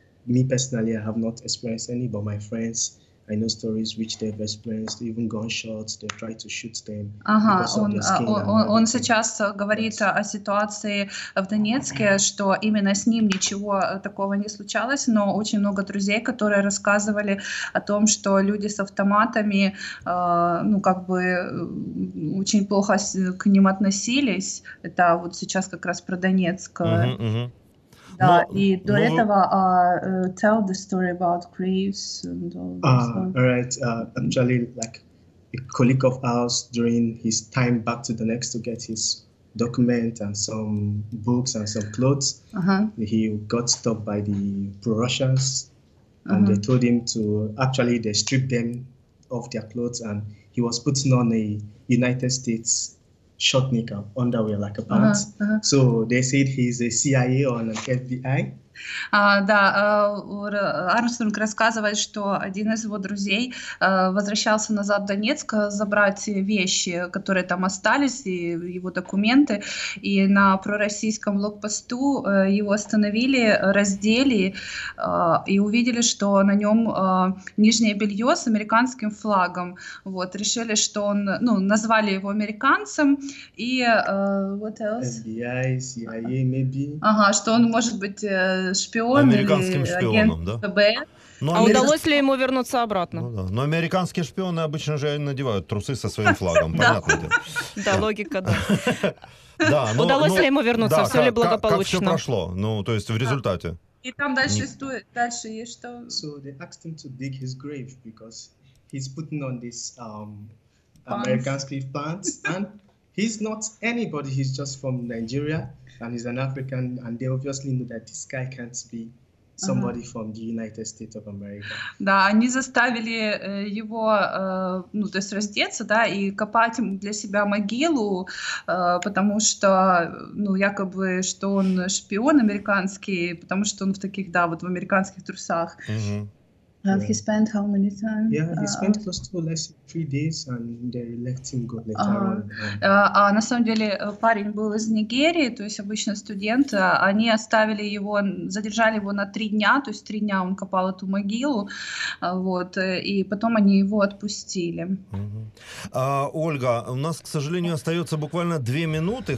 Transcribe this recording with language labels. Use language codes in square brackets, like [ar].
[en] me personally, I have not experienced any, but my friends, I know stories which they've experienced, even gunshots, they've tried to shoot them. [ru] Ага, он сейчас говорит о ситуации в Донецке, что именно с ним ничего такого не случалось, но очень много друзей, которые рассказывали о том, что люди с автоматами, ну, как бы, очень плохо к ним относились. Это вот сейчас как раз про Донецк. Да, но, и до этого [en] tell the story about Greece and all that. Right. Actually, like a colleague of ours during his time back to the next to get his document and some books and some clothes, he got stopped by the pro-Russians and they told him to actually they stripped them of their clothes and he was putting on a United States short nickel underwear like a pants. So they said he's a CIA or an FBI. [ru] Да, Армстронг рассказывает, что один из его друзей возвращался назад в Донецк забрать вещи, которые там остались, и его документы, и на пророссийском блокпосту его остановили, раздели и увидели, что на нем нижнее белье с американским флагом. Вот, решили, что он, ну, назвали его американцем, и [en] what else? FBI, CIA, maybe. [ru] Ага, что он может быть шпион американским или шпионом, да? Но а удалось ли ему вернуться обратно? Ну, да. Но американские шпионы обычно же надевают трусы со своим флагом, понятно. Да, логика, да. Удалось ли ему вернуться, все ли благополучно? Как все прошло, ну, то есть в результате. И там дальше стоит, дальше есть что? [en] So they asked him to dig his grave because he's putting on this American grave pants and he's not anybody, he's just from Nigeria. And he's an African, and they obviously know that this guy can't be somebody from the United States of America. [ru] Да, они заставили его, ну, то есть раздеться, да, и копать для себя могилу, потому что, ну, якобы, что он шпион американский, потому что он в таких, да, вот в американских трусах. [en] And he spent how many time? Yeah, he spent close to less than 3 days, and they let him go later on. [ru] На самом деле парень был из Нигерии, то есть обычно студент. Они оставили его, задержали его на 3 дня, то есть 3 дня он копал эту могилу, вот, и потом они его отпустили. Ольга, у нас, к сожалению, остается буквально 2 минуты.